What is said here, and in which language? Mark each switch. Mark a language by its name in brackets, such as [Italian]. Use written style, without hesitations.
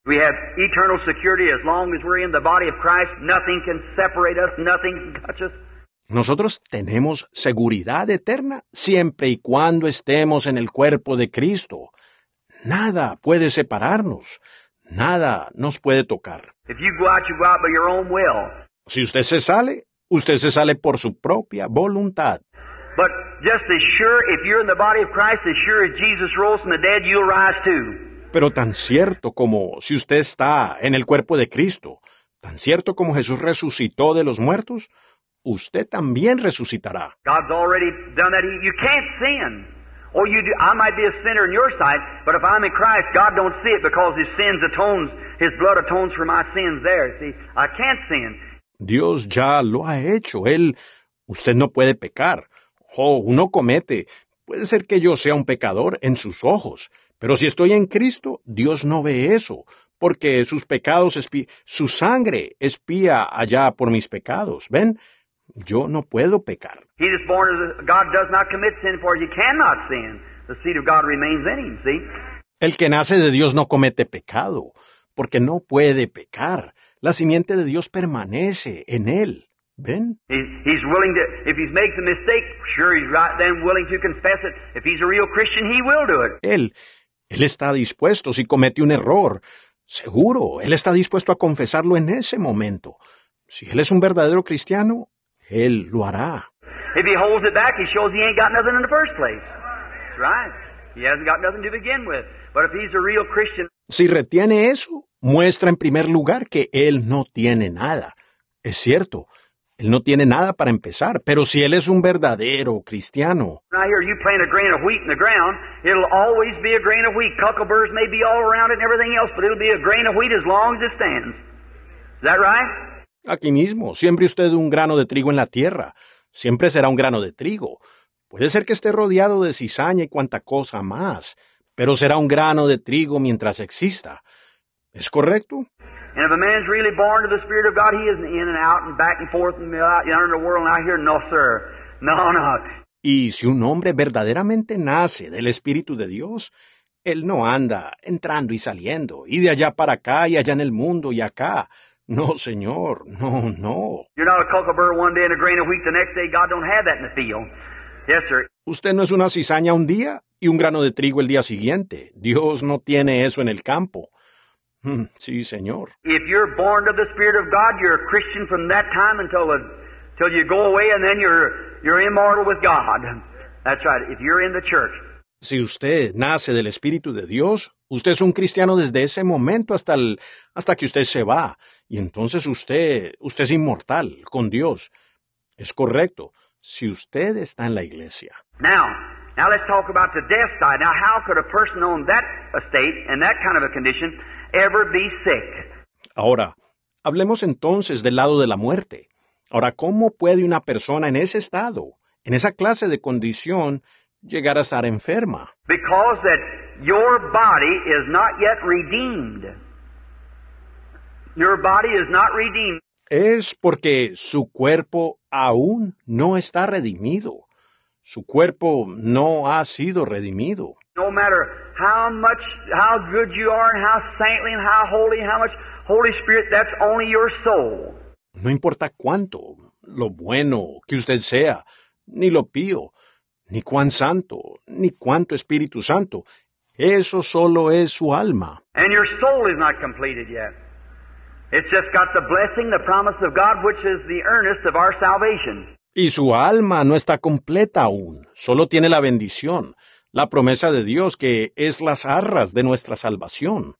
[English] We have eternal security as long as we're in the body of Christ. Nothing can separate us. Nothing can touch us. [Spanish] Nosotros tenemos seguridad eterna siempre y cuando estemos en el cuerpo de Cristo. Nada puede separarnos. Nada nos puede tocar. [English] If you go out, you go out by your own will. [Spanish] Si usted se sale, usted se sale por su propia voluntad. [English] But just as sure, if you're in the body of Christ, as sure as Jesus rose from the dead, you'll rise too. [Spanish] Pero tan cierto como si usted está en el cuerpo de Cristo, tan cierto como Jesús resucitó de los muertos, usted también resucitará. [English] God's already done that. You can't sin. Or you do. I might be a sinner in your sight, but if I'm in Christ, God don't see it because His sins atones, His blood atones for my sins there. See, I can't sin. [Spanish] Dios ya lo ha hecho. Él, usted no puede pecar. Oh, uno comete. Puede ser que yo sea un pecador en sus ojos. Pero si estoy en Cristo, Dios no ve eso. Porque sus pecados su sangre espía allá por mis pecados. ¿Ven? Yo no puedo pecar. [English] He is born as a, God does not commit sin, for he cannot sin. The seed of God remains in him, see? [Spanish] El que nace de Dios no comete pecado, porque no puede pecar. La simiente de Dios permanece en él. ¿Ven? [English] He's willing to, if he makes a mistake, sure he's right then willing to confess it. If he's a real Christian, he will do it. [Spanish] Él está dispuesto si comete un error. Seguro, él está dispuesto a confesarlo en ese momento. Si él es un verdadero cristiano, él lo hará. [English] If he holds it back, he shows he ain't got nothing in the first place. That's right. He hasn't got nothing to begin with. But if he's a real Christian. [Spanish] Si retiene eso, muestra en primer lugar que él no tiene nada. Es cierto. Él no tiene nada para empezar, pero si él es un verdadero cristiano. [English] Right here, you plant a grain of wheat in the ground, it'll always be a grain of wheat. Cuckleburrs may be all around it and everything else, but it'll be a grain of wheat as long as it stands. Is that right? [Spanish] Aquí mismo, siempre usted un grano de trigo en la tierra. Siempre será un grano de trigo. Puede ser que esté rodeado de cizaña y cuanta cosa más, pero será un grano de trigo mientras exista. ¿Es correcto? [English] And if a man's really born of the Spirit of God, he isn't in and out and back and forth and out in the world and out here. No, sir. No, no. [Spanish] Y si un hombre verdaderamente nace del Espíritu de Dios, él no anda entrando y saliendo, y de allá para acá y allá en el mundo y acá. No, señor. No, no. [English] You're not a cuckleburr one day and a grain of wheat the next day. God don't have that in the field. Yes, sir. [Spanish] Usted no es una cizaña un día y un grano de trigo el día siguiente. Dios no tiene eso en el campo. Sí, señor. [English] If you're born of the Spirit of God, you're a Christian from that time until you go away, and then you're immortal with God. That's right. If you're in the church. [Spanish] Si usted nace del Espíritu de Dios, usted es un cristiano desde ese momento hasta que usted se va, y entonces usted es inmortal con Dios. Es correcto. Si usted está en la iglesia. [English] Now let's talk about the death side. Now, how could a person own that estate and that kind of a condition ever be sick? [Spanish] Ahora, hablemos entonces del lado de la muerte. Ahora, ¿cómo puede una persona en ese estado, en esa clase de condición, llegar a estar enferma? [English] Because that your body is not yet redeemed. Your body is not redeemed. [Spanish] Es porque su cuerpo aún no está redimido. Su cuerpo no ha sido redimido. [English] No matter how much, how good you are, and how saintly, and how holy, how much Holy Spirit, that's only your soul. [Spanish] No importa cuánto, lo bueno que usted sea, ni lo pío, ni cuán santo, ni cuánto Espíritu Santo, eso solo es su alma. [English] And your soul is not completed yet. It's just got the blessing, the promise of God, which is the earnest of our salvation. [Spanish] Y su alma no está completa aún, solo tiene la bendición. La promesa de Dios, que es las arras de nuestra salvación.